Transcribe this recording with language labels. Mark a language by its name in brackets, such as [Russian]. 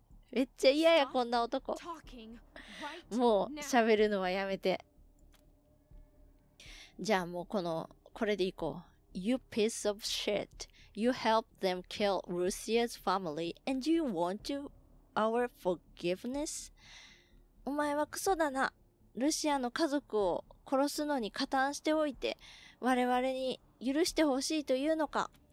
[Japanese] めっちゃ嫌や、こんな男。もう喋るのはやめて。じゃあもうこれでいこう。 [English] You piece of shit. You helped them kill Lucia's family and you want our forgiveness? [Japanese] お前はクソだな。ルシアの家族を殺すのに加担しておいて、我々に許してほしいというのか？